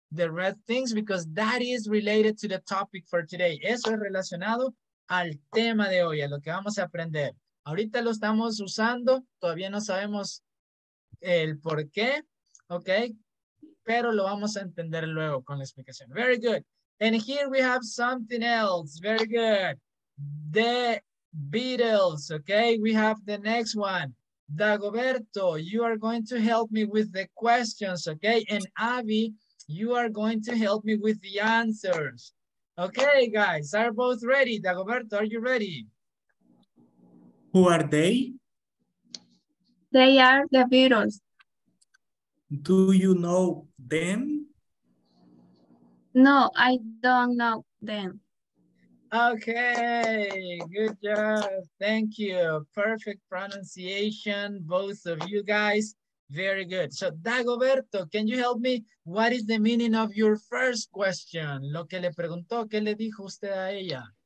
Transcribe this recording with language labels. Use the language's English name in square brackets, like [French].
[English] the red things because that is related to the topic for today. [Spanish] Eso es relacionado al tema de hoy, a lo que vamos a aprender. Ahorita lo estamos usando, todavía no sabemos el por qué, ¿ok? Pero lo vamos a entender luego con la explicación. [English] Very good. And here we have something else. Very good. The Beatles, ¿ok? We have the next one. Dagoberto, you are going to help me with the questions, ¿ok? And Abby, you are going to help me with the answers. Okay, guys, are both ready? Dagoberto, are you ready? Who are they? They are the Beatles. Do you know them? No, I don't know them. Okay, good job. Thank you. Perfect pronunciation, both of you guys. Very good. So, Dagoberto, can you help me? What is the meaning of your first question? [Spanish] Lo que le preguntó, ¿qué le dijo usted a ella?